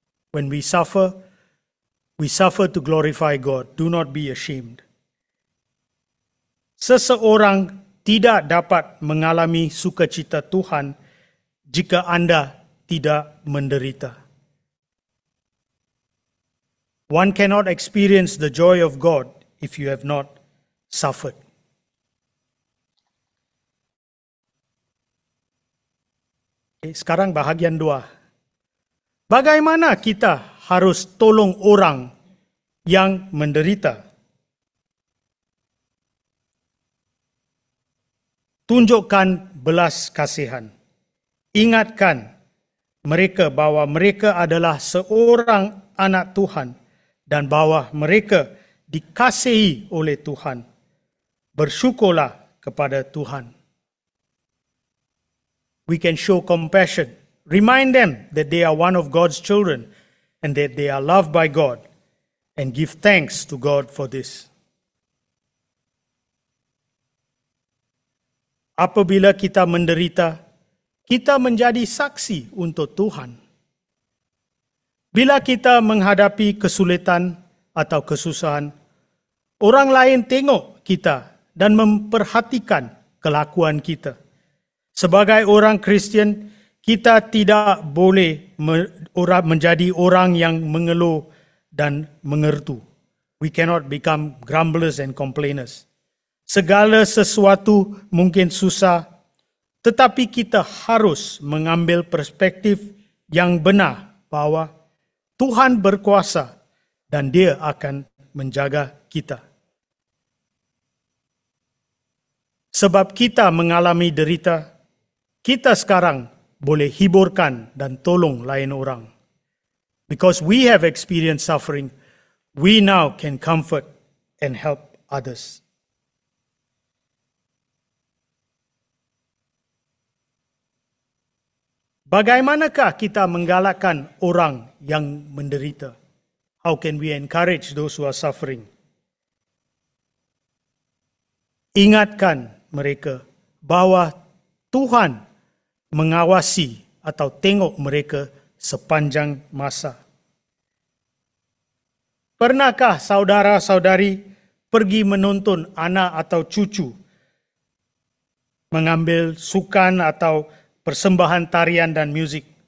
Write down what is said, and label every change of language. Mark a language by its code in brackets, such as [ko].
[en] When we suffer to glorify God. Do not be ashamed. [ms] Seseorang tidak dapat mengalami sukacita Tuhan jika anda tidak menderita. [en] One cannot experience the joy of God if you have not suffered. [ms] Okay, sekarang bahagian dua. Bagaimana kita harus tolong orang yang menderita? Tunjukkan belas kasihan. Ingatkan mereka bahwa mereka adalah seorang anak Tuhan dan bahwa mereka dikasihi oleh Tuhan. Bersyukurlah kepada Tuhan. [en] We can show compassion. Remind them that they are one of God's children and that they are loved by God, and give thanks to God for this. [ms] Apabila kita menderita, kita menjadi saksi untuk Tuhan. Bila kita menghadapi kesulitan atau kesusahan, orang lain tengok kita dan memperhatikan kelakuan kita. Sebagai orang Kristian, kita tidak boleh menjadi orang yang mengeluh dan mengertu. [en] We cannot become grumblers and complainers. [ms] Segala sesuatu mungkin susah, tetapi kita harus mengambil perspektif yang benar bahwa Tuhan berkuasa dan Dia akan menjaga kita. Sebab kita mengalami derita, kita sekarang boleh hiburkan dan tolong lain orang. [en] Because we have experienced suffering, we now can comfort and help others. [ms] Bagaimanakah kita menggalakkan orang yang menderita? [en] How can we encourage those who are suffering? [ms] Ingatkan mereka bahwa Tuhan mengawasi atau tengok mereka sepanjang masa. Pernahkah saudara-saudari pergi menonton anak atau cucu mengambil sukan atau persembahan tarian dan muzik?